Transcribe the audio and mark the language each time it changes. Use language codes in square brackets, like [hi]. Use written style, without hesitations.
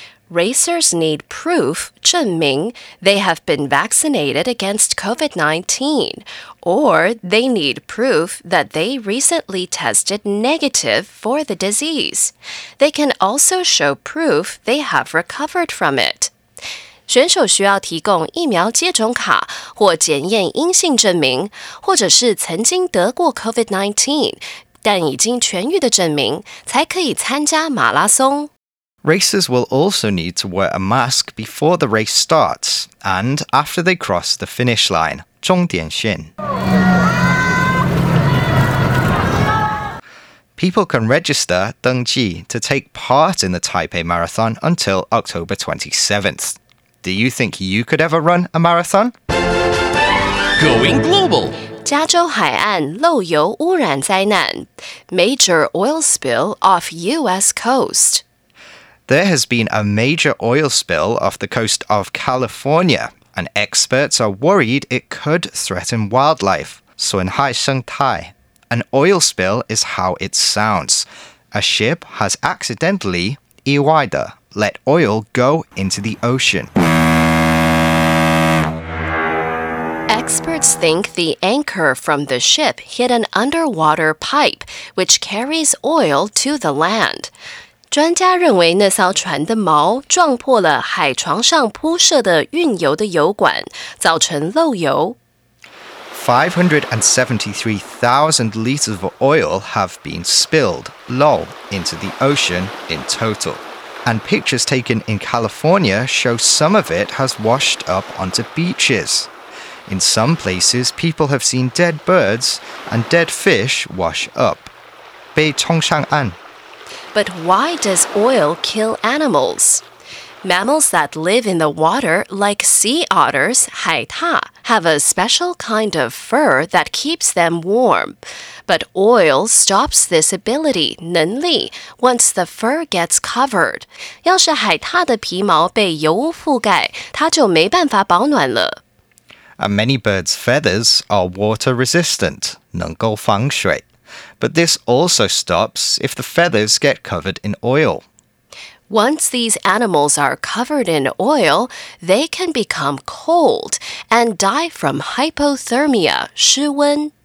[en] Racers need proof, [zh] 证明, [en] they have been vaccinated against COVID-19, or they need proof that they recently tested negative for the disease. They can also show proof they have recovered from it. [zh] 选手需要提供疫苗接种卡或检验阴性证明，或者是曾经得过 COVID-19 但已经痊愈的证明，才可以参加马拉松。 [en] Racers will also need to wear a mask before the race starts and after they cross the finish line, [zh] 终点线。 [en] People can register [zh] 登记 [en] to take part in the Taipei Marathon until October 27th. Do you think you could ever run a marathon? Going global! [zh] 加州海岸漏油污染灾难 [en] Major oil spill off U.S. coast. There has been a major oil spill off the coast of California, and experts are worried it could threaten wildlife. [zh] 损害生态 [en] An oil spill is how it sounds. A ship has accidentally, [zh] 意外的, [en] let oil go into the ocean. Experts think the anchor from the ship hit an underwater pipe, which carries oil to the land. [zh] 专家认为那艘船的锚撞破了海床上铺设的运油的油管，造成漏油。 [en] 573,000 liters of oil have been spilled, low, into the ocean in total. And pictures taken in California show some of it has washed up onto beaches. In some places, people have seen dead birds and dead fish wash up. [zh] 被冲上岸。 [en] But why does oil kill animals? Mammals that live in the water, like sea otters, [zh] 海獭, [en] have a special kind of fur that keeps them warm. But oil stops this ability, [zh] 能力, [en] once the fur gets covered. [zh] 要是海獭的皮毛被油污覆盖，它就没办法保暖了。 [en] And many birds' feathers are water-resistant, [zh] 能够防水。 [en] But this also stops if the feathers get covered in oil. Once these animals are covered in oil, they can become cold and die from hypothermia, [zh] 失温。